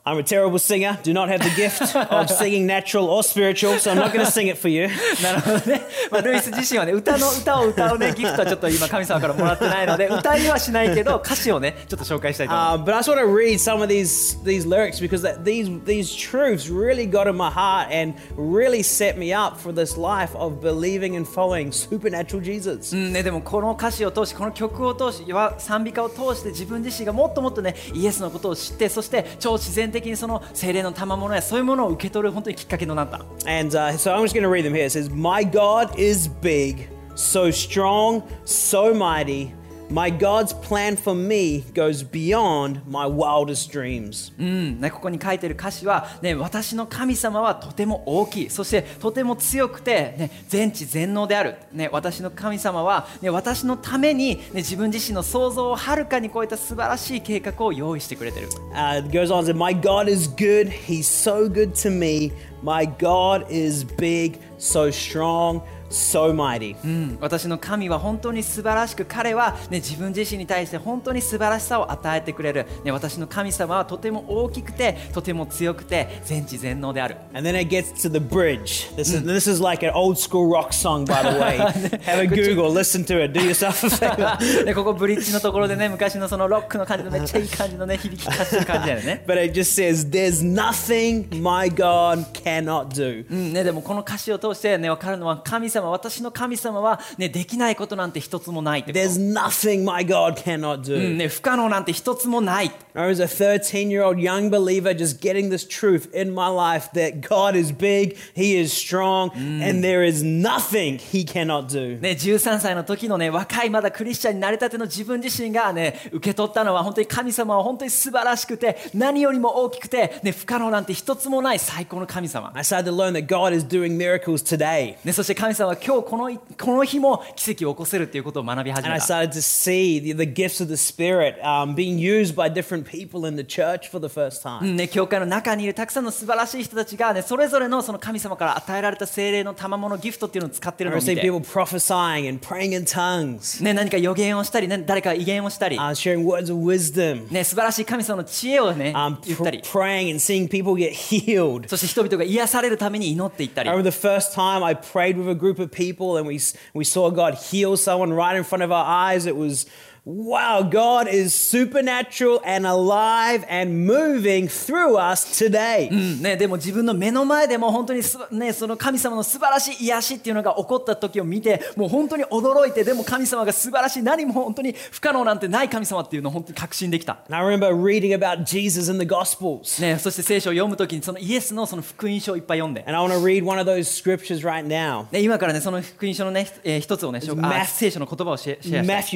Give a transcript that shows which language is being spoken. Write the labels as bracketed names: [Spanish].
[English] I'm a terrible singer. Do not have the gift of singing natural or spiritual, so I'm not going to sing it for you. [Japanese] なるほどね。まあ、ルイス自身はね、歌を歌うね、ギフトはちょっと今神様からもらってないので、歌にはしないけど、歌詞をね、ちょっと紹介したいと思います。 [English] But I just want to read some of these lyrics because that these truths really got in my heart and really set me up for this life of believing and following supernatural Jesus. [Japanese] ね、でもこの歌詞を通し、この曲を通し、賛美歌を通して自分自身がもっともっとね、イエスのことを知って、そして超自然自然的にその聖霊の賜物やそういうものを受け取る本当にきっかけになった。 [English] And so I'm just going to read them here. It says, My God is big, so strong, so mighty, My God's plan for me goes beyond my wildest dreams. [Japanese] ここに書いてる歌詞は、ね、私の神様はとても大きい、そしてとても強くて、ね、全知全能である、ね、私の神様は、ね、私のために、ね、自分自身の想像をはるかに超えた素晴らしい計画を用意してくれてる。 [English] It goes on to say, My God is good. He's so good to me. My God is big, so strong. So mighty. [Japanese] 私の神は本当に素晴らしく、彼は、ね、自分自身に対して本当に素晴らしさを与えてくれる、ね、私の神様はとても大きくてとても強くて全知全能である。 [English] And then it gets to the bridge. This is like an old school rock song, by the way. 、ね、Have a Google, listen to it. Do yourself a favor. [Japanese] 、ね、ここブリッジのところでね、昔のそのロックの感じのめっちゃいい感じのね、響き立つ感じだよね。 [English] But it just says, There's nothing my God cannot do.、 [Japanese] うんね、でもこの歌詞を通して、ね、分かるのは神様、私の神様は、ね、できないことなんて一つもないって [English] こと。There's nothing my God cannot do.、 [Japanese] うんね、不可能なんて一つもない。 [English] I was a 13-year-old young believer just getting this truth in my life that God is big, He is strong,、うん、and there is nothing He cannot do.、 [Japanese] ね、13歳の時の、ね、若いまだクリスチャンになりたての自分自身が、ね、受け取ったのは本当に神様は本当に素晴らしくて何よりも大きくて、ね、不可能なんて一つもない最高の神様。 [English] I started to learn that God is doing miracles today.、 [Japanese] ね、そして神様今日この日も奇跡を起こせるということを学び始めた。 [English] And I started to see the gifts of the Spirit being used by different people in the church for the first time、 [Japanese] ね、教会の中にいるたくさんの素晴らしい人たちが、ね、それぞれ の, その神様から与えられた聖霊の賜物ギフトっていうのを使っているのを見て、 [English] I see people prophesying and praying in tongues、 [Japanese] ね、何か予言をしたり、ね、誰か異言をしたり、 [English] sharing words of wisdom、 [Japanese] ね、素晴らしい神様の知恵を、ね、言ったり、 [English] praying and seeing people get healed、 [Japanese] そして人々が癒されるために祈っていったり。 [English] I remember the first time I prayed with a groupof people and we saw God heal someone right in front of our eyes. It was wow, God is supernatural and alive and moving through us today.、 [Japanese] うんね、でも自分の目の前でも本当に、ね、その神様の素晴らしい癒しっていうのが起こった時を見てもう本当に驚いて、でも神様が素晴らしい、何も本当に不可能なんてない神様っていうのを本当に確信できた。 [English] I remember reading about Jesus in the Gospels、 [Japanese] ね、そして聖書を読む時にそのイエスのその福音書をいっぱい読んで、 [English] And I want to read one of those scriptures right now、 [Japanese] ね、今からねその福音書のね、一つをね、聖書の言葉をシェアします。